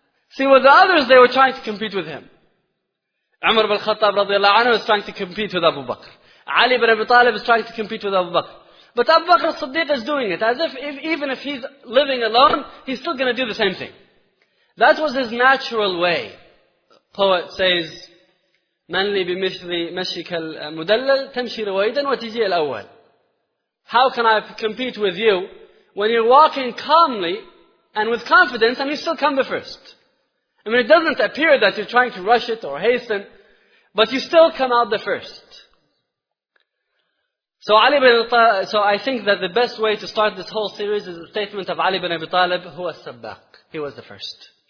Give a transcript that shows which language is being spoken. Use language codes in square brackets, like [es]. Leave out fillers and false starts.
[en] See, with the others, they were trying to compete with him. Umar ibn al-Khattab radiallahu anhu was trying to compete with Abu Bakr. Ali ibn Abi Talib is trying to compete with Abu Bakr. But Abu Bakr al-Siddiq is doing it, as if even if he's living alone, he's still going to do the same thing. That was his natural way. Poet says, [ar] مَنْ لِي بِمِثْلِ مَشِّكَ الْمُدَلَّلِ تَمْشِي رَوَيْدًا وَتِجِيَ الْأَوَّلِ. [en] How can I compete with you when you're walking calmly and with confidence and you still come the first? I mean, it doesn't appear that you're trying to rush it or hasten, but you still come out the first. So Ali ibn Abi Talib, so I think that the best way to start this whole series is the statement of Ali ibn Abi Talib, who was Sabbaq. He was the first.